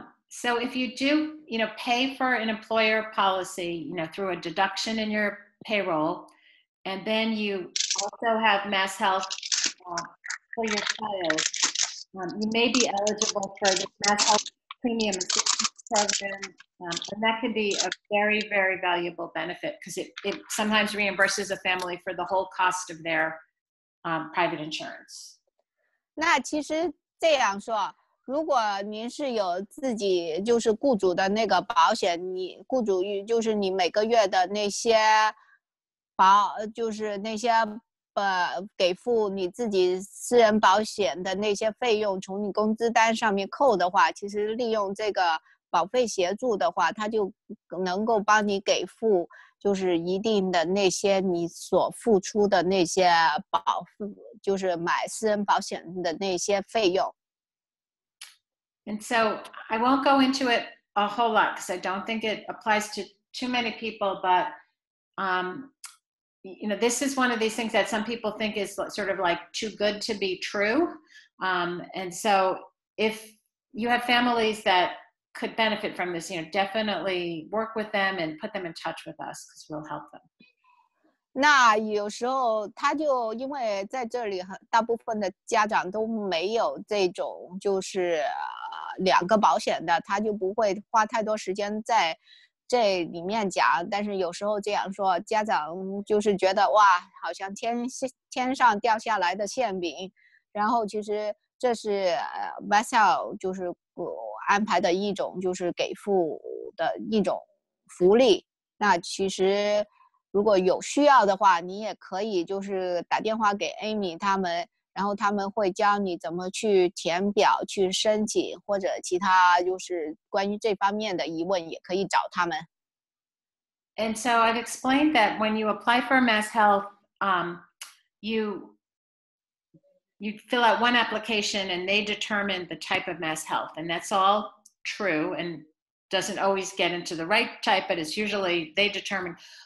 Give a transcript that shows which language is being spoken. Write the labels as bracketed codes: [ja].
[en] So if you do, you know, pay for an employer policy, you know, through a deduction in your payroll, and then you also have mass health for your child, you may be eligible for the mass health premium assistance program, and that can be a very, very valuable benefit because it sometimes reimburses a family for the whole cost of their private insurance. [zh] 那其实这样说，如果您是有自己就是雇主的那个保险，你雇主就是你每个月的那些保，就是那些给付你自己私人保险的那些费用从你工资单上面扣的话，其实利用这个保费协助的话，它就能够帮你给付就是一定的那些你所付出的那些保，就是买私人保险的那些费用。 [en] And so I won't go into it a whole lot because I don't think it applies to too many people, but you know, this is one of these things that some people think is sort of like too good to be true. And so if you have families that could benefit from this, you know, definitely work with them and put them in touch with us because we'll help them. [zh] 那有时候他就因为在这里大部分的家长都没有这种就是两个保险的，他就不会花太多时间在这里面讲，但是有时候这样说，家长就是觉得哇，好像天上掉下来的馅饼。然后其实这是myself 就是安排的一种就是给付的一种福利。那其实如果有需要的话，你也可以就是打电话给 Amy 他们，然后他们会教你怎么去填表去申请，或者其他就是关于这方面的疑问也可以找他们。 [en] And so I've explained that when you apply for a mass health, you fill out one application and they determine the type of mass health. And that's all true and doesn't always get into the right type, but it's usually they determine.